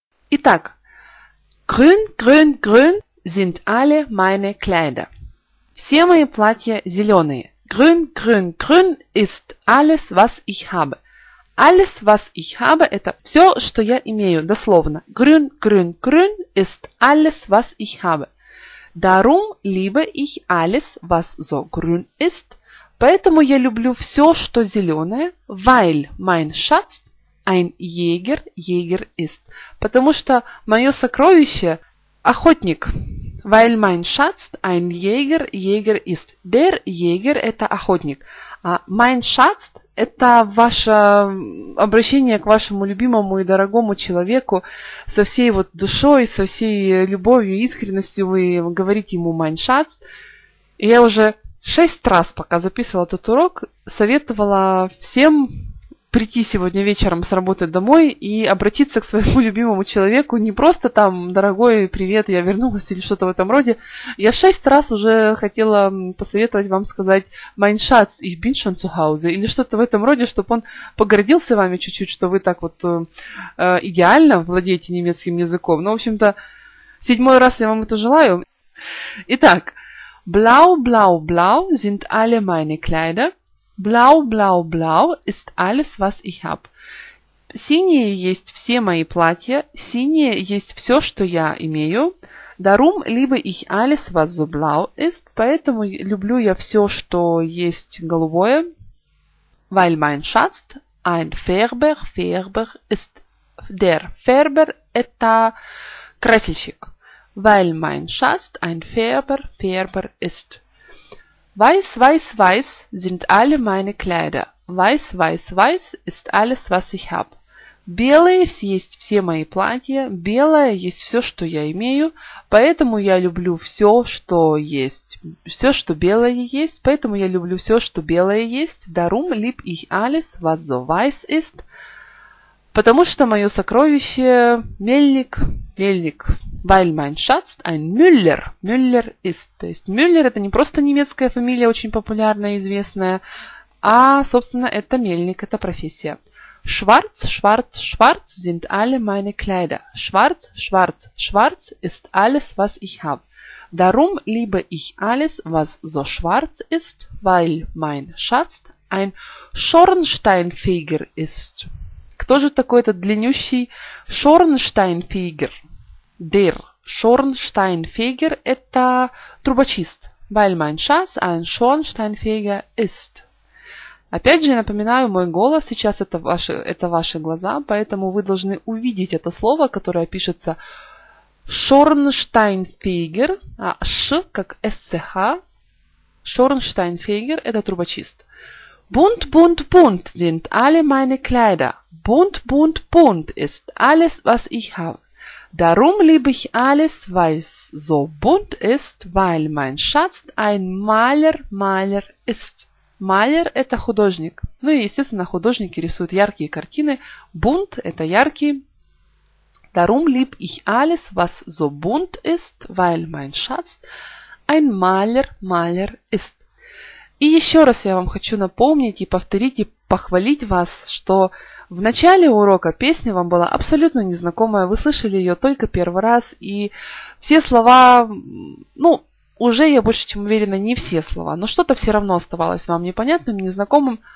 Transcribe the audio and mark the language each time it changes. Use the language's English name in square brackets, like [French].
[German] Итак, grün, grün, grün sind alle meine Kleider. [Russian] Все мои платья зеленые. [German] Grün, grün, grün ist alles, was ich habe. Alles, was ich habe, [Russian] это все, что я имею, дословно. [German] Grün, grün, grün ist alles, was ich habe. Darum liebe ich alles, was so grün ist. [Russian] Поэтому я люблю все, что зеленое. [German] Weil mein Schatz ein Jäger, Jäger ist. [Russian] Потому что мое сокровище охотник. [German] Weil mein Schatz ein Jäger, Jäger ist. Der Jäger [Russian] это охотник. А [German] mein Schatz [Russian] это ваше обращение к вашему любимому и дорогому человеку со всей вот душой, со всей любовью и искренностью вы говорите ему mein Schatz. Я уже 6 раз, пока записывала этот урок, советовала всем прийти сегодня вечером с работы домой и обратиться к своему любимому человеку. Не просто там, дорогой, привет, я вернулась или что-то в этом роде. Я 6 раз уже хотела посоветовать вам сказать [German] «Mein Schatz, ich bin schon zu Hause» [Russian] или что-то в этом роде, чтобы он погордился вами чуть-чуть, что вы так вот идеально владеете немецким языком. Ну, в общем-то, 7-й раз я вам это желаю. [German] Итак, «Blau, blau, blau sind alle meine Kleider». Blau, blau, blau ist alles, was ich habe. [Russian] Синие есть все мои платья. Синие есть все, что я имею. [German] Darum liebe ich alles, was so blau ist. [Russian] Поэтому люблю я все, что есть голубое. [German] Weil mein Schatz ein Färber, Färber ist der. [Russian] Färber – это красильщик. [German] Weil mein Schatz ein Färber, Färber ist. Weiß, weiß, weiß sind alle meine Kleider. Weiß, weiß, weiß ist alles, was ich hab. [Russian] Белые есть все мои платья. Белое есть все, что я имею. Поэтому я люблю все, что есть. Все, что белое есть. Поэтому я люблю все, что белое есть. [German] Darum lieb ich alles, was so weiß ist. [Russian] Потому что мое сокровище мельник, мельник. [German] Weil mein Schatz ein Müller, Müller ist. [Russian] То есть Müller это не просто немецкая фамилия, очень популярная и известная, а, собственно, это мельник, это профессия. [German] Schwarz, schwarz, schwarz sind alle meine Kleider. Schwarz, schwarz, schwarz ist alles, was ich habe. Darum liebe ich alles, was so schwarz ist, weil mein Schatz ein Schornsteinfeger ist. [Russian] Кто же такой этот длиннющий Schornsteinfeger? Der Schornsteinfeger – это трубочист. [German] Weil mein Schatz ein Schornsteinfeger ist. [Russian] Опять же, я напоминаю, мой голос сейчас – это ваши глаза, поэтому вы должны увидеть это слово, которое пишется Schornsteinfeger, а Sch как SCH. Schornsteinfeger – это трубочист. [German] Bunt, bunt, bunt sind alle meine Kleider. Bunt, bunt, bunt ist alles, was ich habe. Darum liebe ich alles, was so bunt ist, weil mein Schatz ein Maler, Maler ist. [Russian] Maler – это художник. Ну и, естественно, художники рисуют яркие картины. Bunt – это яркий. [German] Darum lieb ich alles, was so bunt ist, weil mein Schatz ein Maler, Maler ist. [Russian] И еще раз я вам хочу напомнить и повторить, и похвалить вас, что в начале урока песня вам была абсолютно незнакомая, вы слышали ее только первый раз, и все слова, ну, уже я больше чем уверена, не все слова, но что-то все равно оставалось вам непонятным, незнакомым.